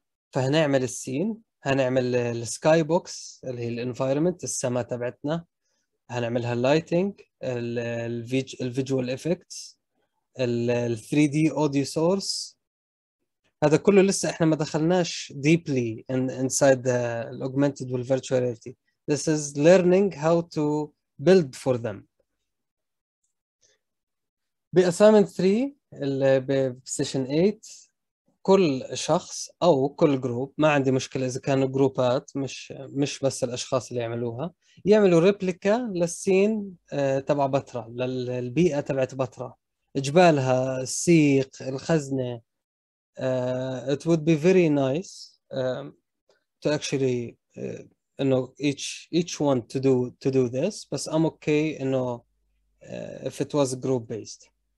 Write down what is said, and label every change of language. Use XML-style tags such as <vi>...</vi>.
<ar>فهنعمل السين، هنعمل السكاي بوكس اللي هي الانفايرمنت السماء تبعتنا، هنعملها اللايتنج، الفيجوال افكتس، ال 3 دي اوديو سورس. هذا كله لسه احنا ما دخلناش ديبلي انسايد الاوجمنتد والفيرتشواليتي.</ar> <en>This is learning how to build for them.</en> <ar>بأسايمنت 3 بسيشن 8 كل شخص او كل جروب، ما عندي مشكلة اذا كانوا جروبات مش بس الاشخاص اللي يعملوها، يعملوا ريبليكا للسين تبع بطرة، للبيئة تبعت بطرة، جبالها، السيق، الخزنة.</ar> <en>It would be very nice to actually انه each one to do this, بس I'm okay انه if it was group based.</en>